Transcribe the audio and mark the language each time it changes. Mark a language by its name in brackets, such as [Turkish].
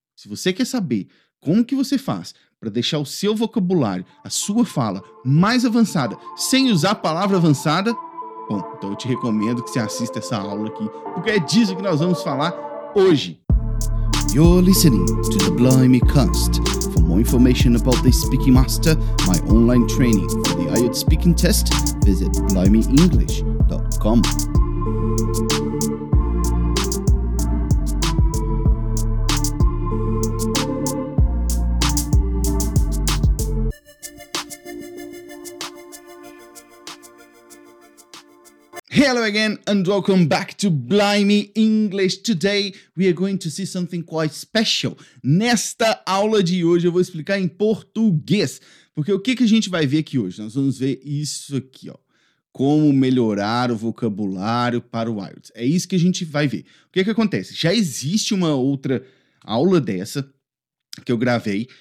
[Portuguese] Se você quer saber como que você faz para deixar o seu vocabulário, a sua fala, mais avançada, sem usar a palavra avançada, bom, então eu te recomendo que você assista essa aula aqui, porque é disso que nós vamos falar hoje. [English] You're listening to the Blimey Cast. For more information about the Speaking Master, my online training for the IELTS speaking test, visit blimeyenglish.com. Hello again and welcome back to Blimey English. Today we are going to see something quite special. [Portuguese] Nesta aula de hoje eu vou explicar em português. Porque o que, que a gente vai ver aqui hoje? Nós vamos ver isso aqui, ó. Como melhorar o vocabulário para o IELTS. É isso que a gente vai ver. O que, que acontece? Já existe uma outra aula dessa que eu gravei.